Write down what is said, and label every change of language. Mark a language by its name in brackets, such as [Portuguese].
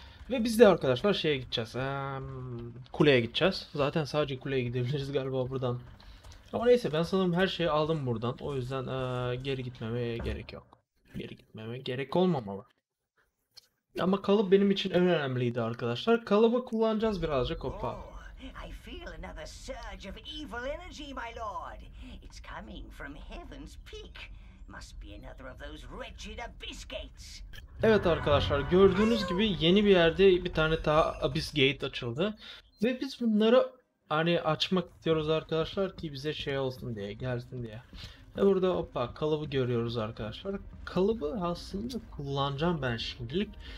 [Turkish] Ve biz de arkadaşlar şeye gideceğiz. Kuleye gideceğiz. Zaten sadece kuleye gidebiliriz galiba buradan. Ama neyse, ben sanırım her şeyi aldım buradan. O yüzden geri gitmeme gerek yok. Geri gitmeme gerek olmamalı. Ama kalıp benim için en önemliydi arkadaşlar. Kalıbı kullanacağız birazcık. Hoppa. [English] I feel another surge of evil energy, my lord. It's coming from heaven's peak. Must be another of those wretched abyss gates. [Turkish] Evet arkadaşlar, gördüğünüz gibi yeni bir yerde bir tane daha abyss gate açıldı. Ve biz bunları hani açmak istiyoruz arkadaşlar ki bize şey olsun diye, gelsin diye. Ve burada hoppa kalıbı görüyoruz arkadaşlar. Kalıbı aslında kullanacağım ben şimdilik.